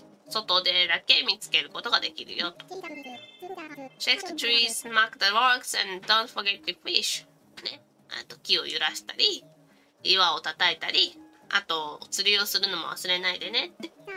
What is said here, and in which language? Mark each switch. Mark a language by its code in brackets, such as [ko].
[ja] 外でだけ見つけることができるよと。 [en] Check the trees, mark the rocks, and don't forget the fish. [ja] ね。あと、木を揺らしたり、岩を叩いたり、あと、釣りをするのも忘れないでねって。